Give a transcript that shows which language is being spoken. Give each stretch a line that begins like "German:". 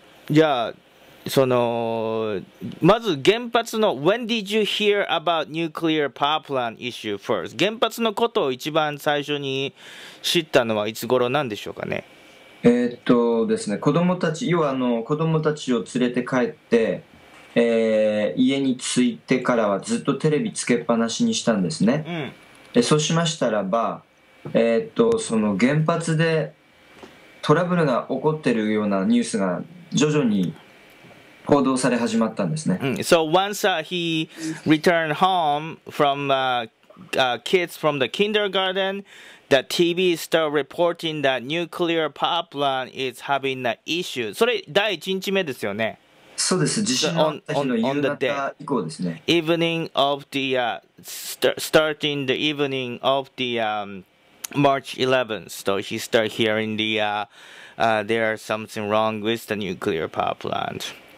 Japanese: じゃあ、そのまず原発の
English: When did you hear about nuclear power plant issue first?
Japanese: 原発のことを一番最初に知ったのはいつ頃なんでしょうかね？ですね、子供たち、要は子供たちを連れて帰って、家に着いてからはずっとテレビつけっぱなしにしたんですね。うん。で、そうしましたらば、その原発でトラブルが起こってるようなニュースが徐々に報道され始まったんですね。 Mm.
English: So once he returned home from kids from the kindergarten, the TV is still reporting that nuclear power plant is having an issue.
Japanese: それ第1日目ですよね。そうです。地震の日の夕方以降ですね。
English: Evening of the starting the evening of the March 11th. So he start hearing the there are something wrong with the nuclear power plant.